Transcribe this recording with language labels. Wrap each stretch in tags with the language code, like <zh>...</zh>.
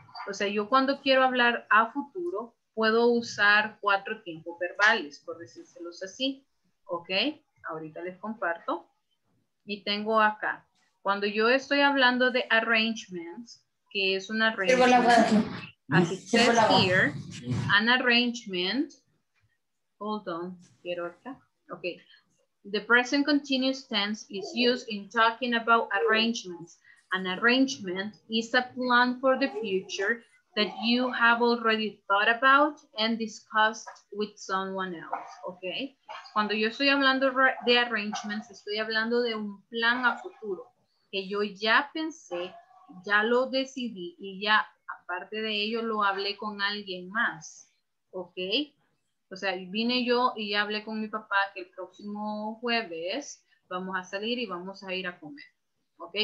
<es>O sea, yo cuando quiero hablar a futuro, puedo usar cuatro tiempos verbales, por decírselos así, ¿ok? Ahorita les comparto. Y tengo acá, cuando yo estoy hablando de arrangements, que es un arrangement,</es> <en>as it says here, an arrangement, hold on,</en> <es>quiero acá, ok.</es> <en>The present continuous tense is used in talking about arrangements. An arrangement is a plan for the future that you have already thought about and discussed with someone else, ok.</en> <es>Cuando yo estoy hablando de arrangements, estoy hablando de un plan a futuro que yo ya pensé, ya lo decidí y ya, aparte de ello, lo hablé con alguien más, ok. O sea, vine yo y hablé con mi papá que el próximo jueves vamos a salir y vamos a ir a comer. ¿Ok?</es>